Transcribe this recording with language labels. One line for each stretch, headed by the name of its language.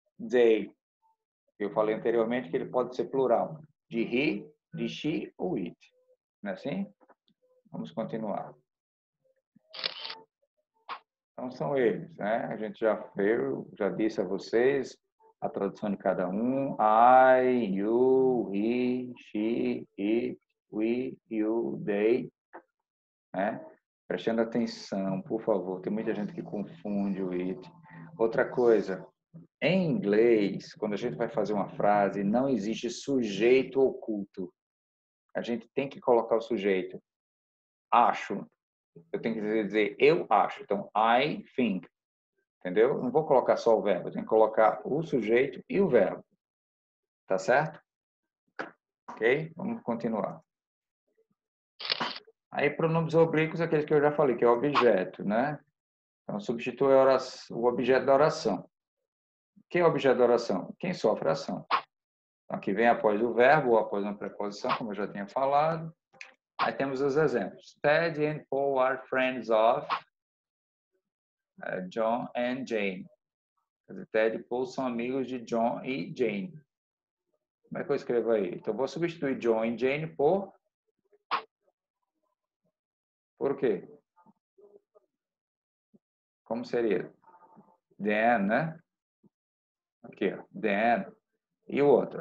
Portuguese: They, eu falei anteriormente que ele pode ser plural. De he, de she ou it. Não é assim? Vamos continuar. Então, são eles, né? A gente já viu, já disse a vocês a tradução de cada um.
English: I, you, he, she, it, we, you, they.
Portuguese: Né? Prestando atenção, por favor. Tem muita gente que confunde o it. Outra coisa. Em inglês, quando a gente vai fazer uma frase, não existe sujeito oculto. A gente tem que colocar o sujeito. Acho. Eu tenho que dizer eu acho. Então,
English: I think.
Portuguese: Entendeu? Não vou colocar só o verbo. Tem que colocar o sujeito e o verbo. Tá certo? Ok? Vamos continuar. Aí, pronomes oblíquos, aqueles que eu já falei, que é o objeto, né? Então, substitui o objeto da oração. Quem é o objeto da oração? Quem sofre a ação. Então, aqui vem após o verbo ou após uma preposição, como eu já tinha falado. Aí temos os exemplos.
English: Ted and Paul are friends of John and Jane.
Portuguese: Ted e Paul são amigos de John e Jane. Como é que eu escrevo aí? Então, eu vou substituir John e Jane por... Por quê? Como seria? Dan, né? Aqui, ó. Dan. E o outro?